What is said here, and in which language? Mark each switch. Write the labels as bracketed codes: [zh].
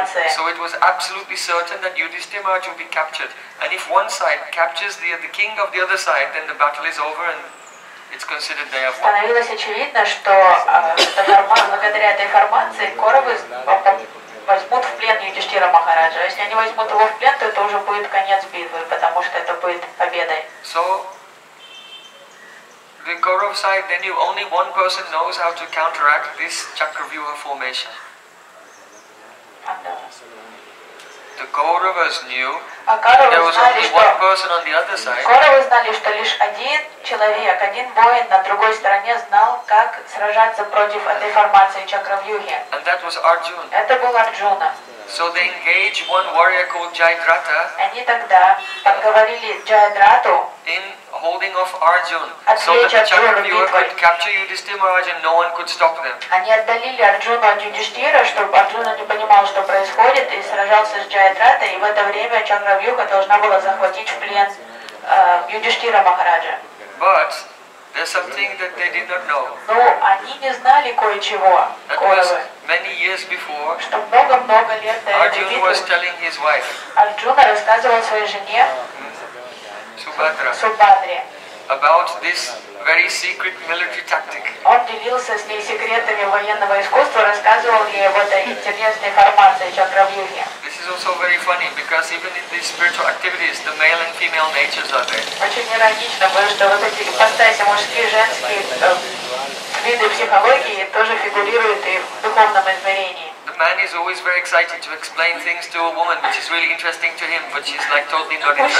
[en] So it was absolutely certain that Yudhishthira Maharaj would be captured. And if one side captures the king of the other side, then the battle is over and it's considered they have won. [ru] Становилось очевидно, что благодаря этой формации Коровы возьмут в плен Юдиштира Махараджа. Если они возьмут его в плен, то это уже будет конец битвы, потому что это будет победой. [en] So, the Kaurav side, then you only one person knows how to counteract this Chakravyuha formation. The Kauravas knew there was only one person on the other side. [ru] Kauravы знали, что лишь один человек, один воин на другой стороне знал, как сражаться против этой формации Чакравьюхи. [en] And that was Arjuna. [ru] Это был Арджуна. [en] So they engaged one warrior called Jayadratha. [ru] Они тогда поговорили Джайадрату. [en] In holding off Arjuna, so that the Chakravyuha could capture Yudhishthira Maharaj and no one could stop them. [ru] Они отдалили Арджуну от Юдиштира, чтобы Арджуна не понимал, что происходит, и сражался с Джайадратой. И в это время Чакравьюха должна была захватить в плен Юдиштира Махараджа. [en] But there's something that they did not know. [ru] Но они не знали кое-чего. That was many years before. Что много-много лет до этого. [en] Arjuna was telling his wife. [ru] Арджуна рассказывал своей жене. Субхадра. Субхадре. [en] About this very secret military tactic. [ru] Он делился с ней секретами военного искусства, рассказывал ей об этой интересной формации Чакравьюхи. [en] This is also very funny because even in these spiritual activities, the male and female natures are there. [ru] Очень иронично, потому что вот эти постаси мужские, женские виды психологии тоже фигурируют и в духовном измерении. [en] The man is always very excited to explain things to a woman, which is really interesting to him, but she's like totally not